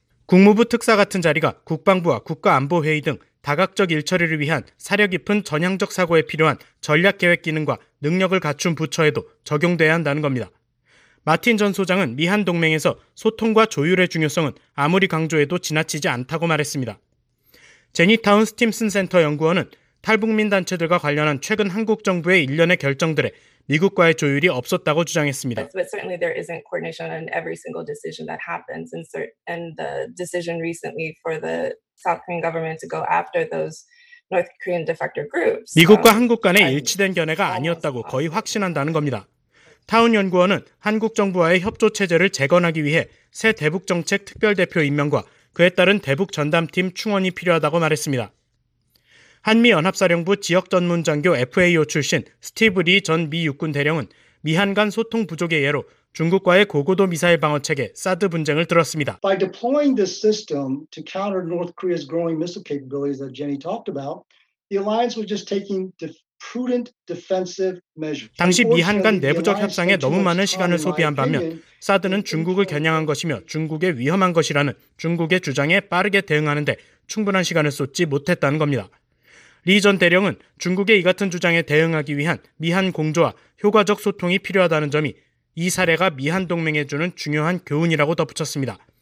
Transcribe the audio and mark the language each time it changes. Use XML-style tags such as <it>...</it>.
<ko>국무부 특사 같은 자리가 국방부와 국가안보회의 등 다각적 일처리를 위한 사려 깊은 전향적 사고에 필요한 전략계획 기능과 능력을 갖춘 부처에도 적용돼야 한다는 겁니다. 마틴 전 소장은 미한 동맹에서 소통과 조율의 중요성은 아무리 강조해도 지나치지 않다고 말했습니다. 제니타운 스팀슨 센터 연구원은 탈북민 단체들과 관련한 최근 한국 정부의 일련의 결정들에 미국과의 조율이 없었다고 주장했습니다.</ko> <en>But certainly there isn't coordination on every single decision that happens and the decision recently for the South Korean government to go after those North Korean defector groups.</en> <ko>미국과 한국 간의 일치된 견해가 아니었다고 거의 확신한다는 겁니다. 타운 연구원은 한국 정부와의 협조 체제를 재건하기 위해 새 대북 정책 특별 대표 임명과 그에 따른 대북 전담팀 충원이 필요하다고 말했습니다. 한미연합사령부 지역전문장교 FAO 출신 스티브 리 전 미 육군 대령은 미한 간 소통 부족의 예로 중국과의 고고도 미사일 방어 체계 사드 분쟁을 들었습니다.</ko> <en>By deploying this system to counter North Korea's growing missile capabilities that Jenny talked about, the alliance was just taking prudent defensive measures.</en> <ko>당시 미한 간 내부적 협상에 너무 많은 시간을 소비한 반면 사드는 중국을 겨냥한 것이며 중국에 위험한 것이라는 중국의 주장에 빠르게 대응하는 데 충분한 시간을 쏟지 못했다는 겁니다. 리 전 대령은 중국의 이 같은 주장에 대응하기 위한 미한 공조와 효과적 소통이 필요하다는 점이 이 사례가 미한 동맹에 주는 중요한 교훈이라고 덧붙였습니다.</ko>